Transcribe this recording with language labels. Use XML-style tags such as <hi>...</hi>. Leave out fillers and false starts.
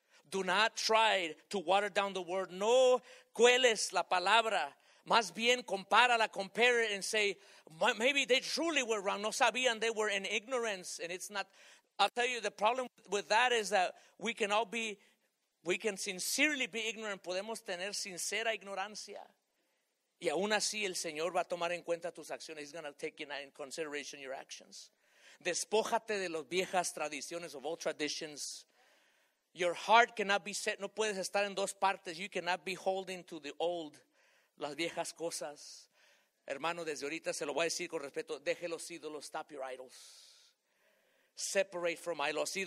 <en>Do not try to water down the word.</en> <es>No cueles la palabra. Más bien compárala,</es> <en>compare it and say, maybe they truly were wrong.</en> <es>No sabían,</es> <en>they were in ignorance. And it's not, I'll tell you, the problem with that is that we can sincerely be ignorant.</en> <es>Podemos tener sincera ignorancia. Y aún así el Señor va a tomar en cuenta tus acciones.</es> <en>He's going to take in consideration your actions.</en> <es>Despójate de las viejas tradiciones,</es> <en>of all traditions. Your heart cannot be set.</en> <es>No puedes estar en dos partes.</es> <en>You cannot be holding to the old,</en> <es>las viejas cosas. Hermano, desde ahorita se lo voy a decir con respeto. Deje los ídolos.</es> <en>Stop your idols. Separate from idols.</en>